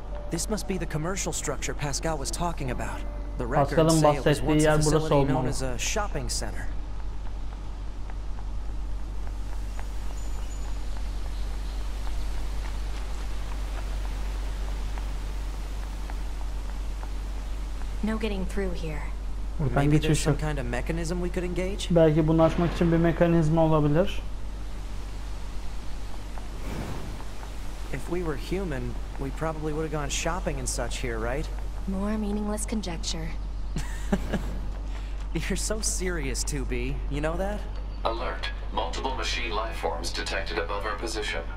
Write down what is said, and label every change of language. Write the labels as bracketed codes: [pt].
[en] This must be the commercial structure Pascal was talking about. The [tr] Pascal'ın bahsettiği yer burası olmalı. [en] A shopping center. No getting through here. [tr] Buradan geçiş yok. [en] Kind of mechanism we could engage? [tr] Belki bunu açmak için bir mekanizma olabilir. [en] If we were human, we probably would have gone shopping and such here, right? More meaningless conjecture. You're so serious, 2B. You know that? Alert. Multiple machine life forms detected above our position.